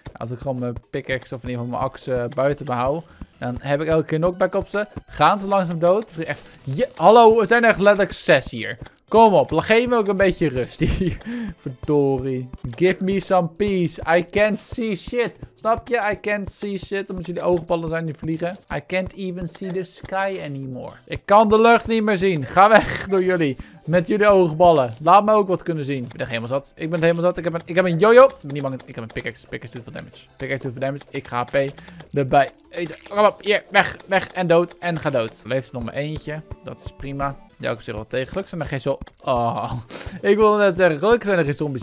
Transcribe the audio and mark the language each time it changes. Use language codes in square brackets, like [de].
[nl] Als ik gewoon mijn pickaxe of in ieder geval mijn axe buiten behoud, dan heb ik elke keer knockback op ze. Gaan ze langzaam dood? Dus echt... Hallo, er zijn echt letterlijk 6 hier. Kom op, geef me ook een beetje rust hier. [en] Verdorie. Give me some peace. I can't see shit. [nl] Snap je? [en] I can't see shit. [nl] Omdat jullie oogballen zijn die vliegen. [en] I can't even see the sky anymore. [nl] Ik kan de lucht niet meer zien. Ga weg door jullie. Met jullie oogballen. Laat me ook wat kunnen zien. Ik ben echt helemaal zat. Ik ben helemaal zat. Ik heb een yo-yo. Ik ben niet bang. Ik heb een pickaxe. Pickaxe doet veel damage. Pickaxe doet veel damage. Ik ga HP erbij eten. Kom op. Hier. Weg. Weg. En dood. En ga dood. Leeft er nog maar eentje. Dat is prima. Ja, ik zeg wel tegen. Gelukkig zijn er geen Oh. Ik wilde net zeggen. Gelukkig zijn er geen zombies.